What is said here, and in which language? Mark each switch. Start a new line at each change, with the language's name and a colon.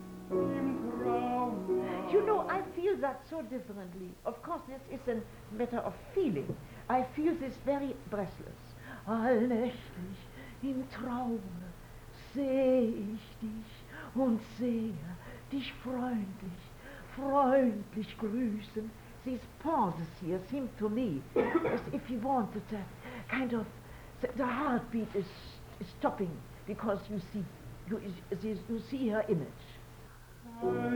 English: You know, I feel that so differently. Of course, this is a matter of feeling. I feel this very breathless.
German: Allnächtlich im Traum seh ich dich und sehe dich freundlich, freundlich grüßen.
English: These pauses here seem to me as if he wanted that kind of, the heartbeat is stopping because you see her image.